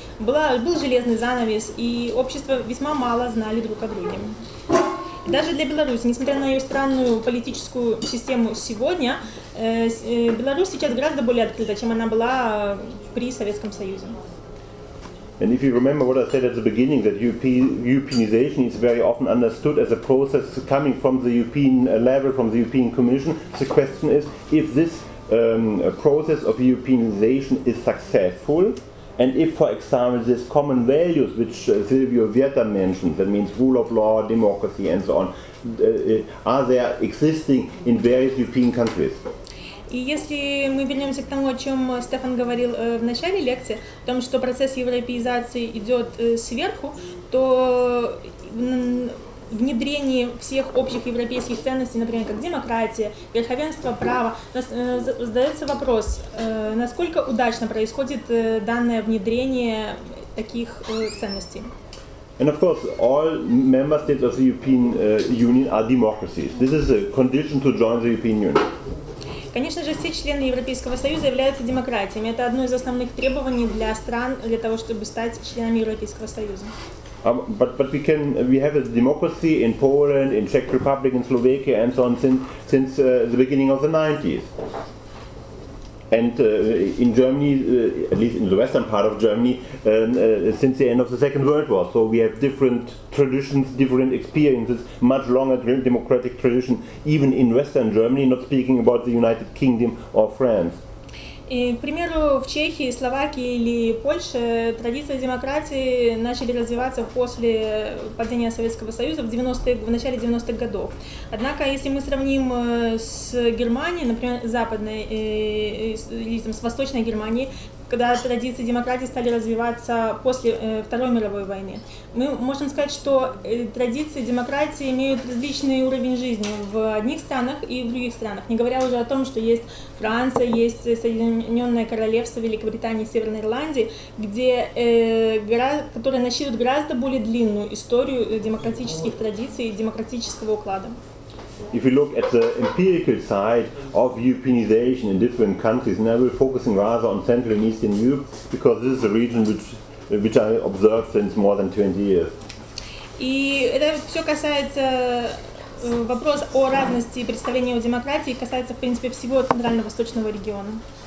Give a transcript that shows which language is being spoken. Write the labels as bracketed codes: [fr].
[ru] Был железный занавес, и общество весьма мало знали друг о друге. Даже для Беларуси, несмотря на ее странную политическую систему сегодня, Беларусь сейчас гораздо более открыта, чем она была при Советском Союзе. [en] And if you remember what I said at the beginning, that Europeanization is very often understood as a process coming from the European level, from the European Commission, the question is if this process of Europeanization is successful. And if, for example, these common values, which Silvio Vieta mentioned, that means rule of law, democracy, and so on, are there existing in various European countries? [ru] И если мы вернемся к тому, о чем Стефан говорил в начале лекции, о том, что процесс европеизации идет сверху, то внедрение всех общих европейских ценностей, например, как демократия, верховенство права, задается вопрос, насколько удачно происходит данное внедрение таких ценностей. [en] And of course, all member states of the European Union are democracies. This is a condition to join the European Union. [ru] Конечно же, все члены Европейского Союза являются демократиями. Это одно из основных требований для стран, для того, чтобы стать членами Европейского Союза. [en] But we have a democracy in Poland, in Czech Republic, in Slovakia, and so on since the beginning of the 90s. And in Germany, at least in the western part of Germany, since the end of the Second World War. So we have different traditions, different experiences, much longer democratic tradition, even in western Germany, not speaking about the United Kingdom or France. [ru] И, к примеру, в Чехии, Словакии или Польше традиции демократии начали развиваться после падения Советского Союза в начале 90-х годов. Однако, если мы сравним с Германией, например, западной, или там, с Восточной Германией, когда традиции демократии стали развиваться после Второй мировой войны, мы можем сказать, что традиции демократии имеют различный уровень жизни в одних странах и в других странах, не говоря уже о том, что есть Франция, есть Соединенное Королевство, Великобритания, Северная Ирландия, где, которые насчитывают гораздо более длинную историю демократических традиций и демократического уклада. [en] If you look at the empirical side of Europeanization in different countries, and I will focus rather on Central and Eastern Europe, because this is a region which I observed since more than 20 years. [ru] И это все касается вопрос о разности представления о демократии, касается в принципе всего центрально-восточного региона.